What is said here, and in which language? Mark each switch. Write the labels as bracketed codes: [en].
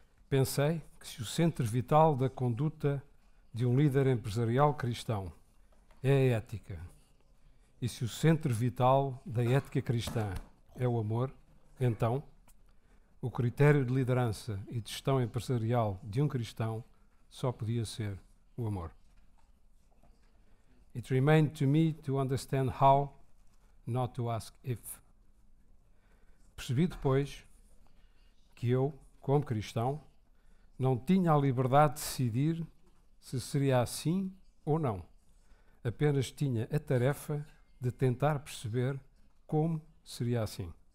[pt] Pensei que se o centro vital da conduta de um líder empresarial cristão é a ética, e se o centro vital da ética cristã é o amor, então o critério de liderança e de gestão empresarial de um cristão só podia ser o amor. [en] It remained to me to understand how, not to ask if. [pt] Percebi depois que eu, como cristão, não tinha a liberdade de decidir se seria assim ou não. Apenas tinha a tarefa de tentar perceber como seria assim.